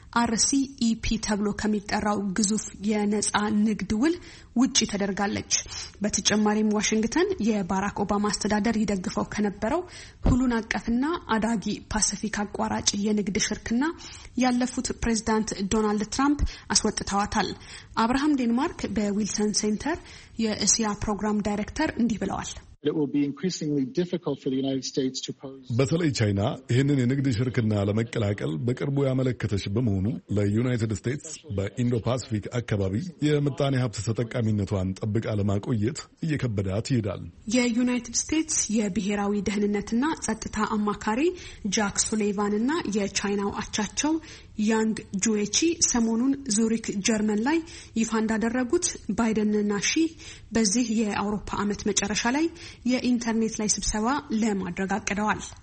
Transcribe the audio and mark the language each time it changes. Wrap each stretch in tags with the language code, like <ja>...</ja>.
<am>RCEP ተብሎ ከመጣራው ግዙፍ የነጻ ንግድ ውል ውጪ ተደርጋለች። በተጨማሪም ዋሽንግተን የባራክ ኦባማ አስተዳደር ይደግፈው ከነበረው ሁሉን አቀፍና አዳጊ ፓሲፊክ አቋራጭ የንግድ ሽርክና ያለፉት ፕሬዝዳንት ዶናልድ ትራምፕ አስወጥተዋታል። አብርሃም ዴንማርክ በዊልሰን ሴንተር የእስያ ፕሮግራም ዳይሬክተር እንዲህ ብለዋል።</am> <en>It will be increasingly difficult for the United States to pose.</en> <am>በተለይ ቻይና ይህንን የንግድ ሽርክና ለመቀላቀል በቅርቡ ያመለከተች በመሆኑ ለዩናይትድ ስቴትስ በኢንዶ ፓሲፊክ አካባቢ የምጣኔ ሀብት ተጠቃሚነቷን ጠብቃ ለማቆየት እየከበዳት ይሄዳል። የዩናይትድ ስቴትስ የብሔራዊ ደህንነትና ጸጥታ አማካሪ ጃክ ሱሌቫን እና የቻይናው አቻቸው ያንግ ጁዌቺ ሰሞኑን ዙሪክ ጀርመን ላይ ይፋ እንዳደረጉት ባይደንና ሺ በዚህ የአውሮፓ አመት መጨረሻ ላይ የኢንተርኔት ላይ ስብሰባ ለማድረግ አቅደዋል።</am>